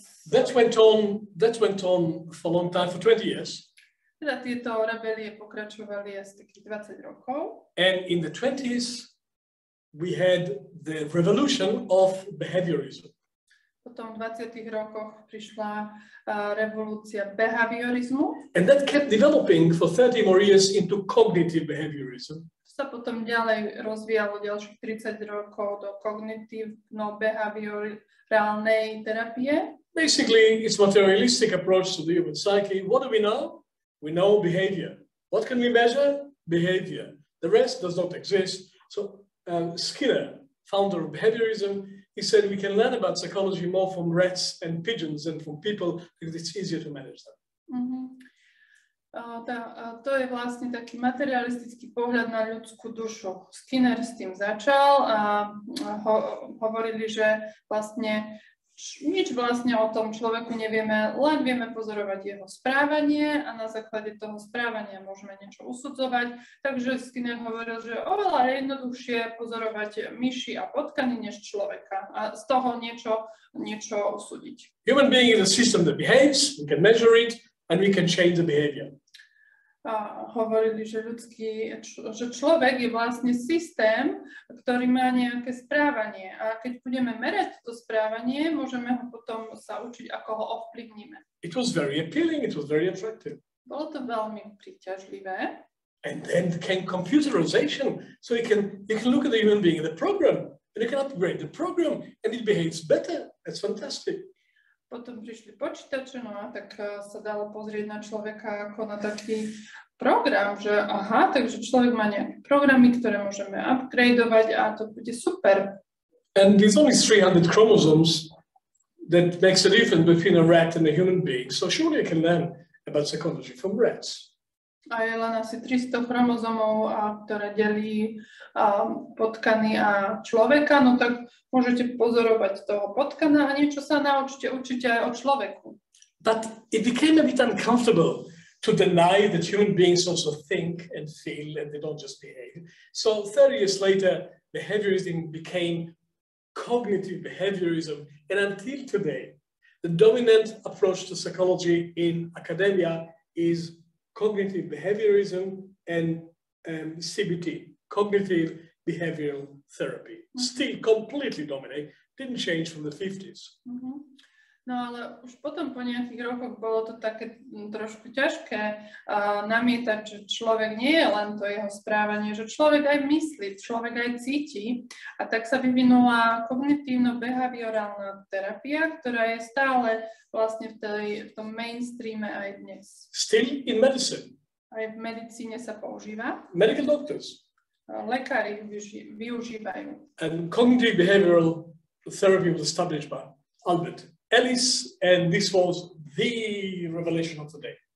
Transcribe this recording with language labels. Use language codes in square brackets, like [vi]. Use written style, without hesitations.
[en] That went on for a long time, for 20 years. [sk] Teda tieto rebelie pokračovali asi takých 20 rokov. [en] And in the 20s, we had the revolution of behaviorism. [sk] V Potom 20. rokoch prišla revolúcia behaviorizmu. [en] And that kept developing for 30 more years into cognitive behaviorism. [sk] Sa potom ďalej rozvíjalo ďalších 30 rokov do kognitívno-behaviorálnej terapie. [en] Basically, it's materialistic approach to the human psyche. What do we know? We know behavior. What can we measure? Behavior. The rest does not exist. So Skinner, founder of behaviorism, he said we can learn about psychology more from rats and pigeons than from people because it's easier to manage them. Mm-hmm. [sk] To je vlastne taký materialistický pohľad na ľudskú dušu. Skinner s tým začal a hovorili, že vlastne nič vlastne o tom človeku nevieme, len vieme pozorovať jeho správanie a na základe toho správania môžeme niečo usudzovať. Takže Skinner hovoril, že oveľa jednoduchšie pozorovať myši a potkany než človeka a z toho niečo usúdiť. [en] Human being is a system that behaves, we can measure it and we can change the behavior. [sk] A hovorili, že ľudský, že človek je vlastne systém, ktorý má nejaké správanie. A keď budeme merať to správanie, môžeme ho potom sa učiť, ako ho ovplyvníme. [en] It was very appealing, it was very attractive. [sk] Bolo to veľmi príťažlivé. [en] And then came computerization. So you can look at the human being in the program, and you can upgrade the program, and it behaves better. That's fantastic. [sk] Potom prišli počítače, no a tak sa dalo pozrieť na človeka ako na taký program, že aha, takže človek má nejaké programy, ktoré môžeme upgradeovať a to bude super. [en] And there's only 300 chromosomes that makes a difference between a rat and a human being, so surely you can learn about psychology from rats. [sk] A je len asi 300 chromozomov, ktoré delí potkany a človeka, no tak môžete pozorovať toho potkana a niečo sa naučíte určite aj o človeku. [en] But it became a bit uncomfortable to deny that human beings also think and feel and they don't just behave. So 30 years later, behaviorism became cognitive behaviorism. And until today, the dominant approach to psychology in academia is cognitive behaviorism and CBT, cognitive behavioral therapy, still completely dominate, didn't change from the 50s. Mm-hmm. [sk] No ale už potom po nejakých rokoch bolo to také trošku ťažké namietať, že človek nie je len to jeho správanie, že človek aj myslí, človek aj cíti. A tak sa vyvinula kognitívno-behaviorálna terapia, ktorá je stále vlastne v tom mainstreame aj dnes. [en] Still in medicine. [sk] Aj v medicíne sa používa. [en] Medical doctors. [sk] Lekári využívajú. [en] And cognitive behavioral therapy was established by Albert Ellis, and this was the revelation of the day.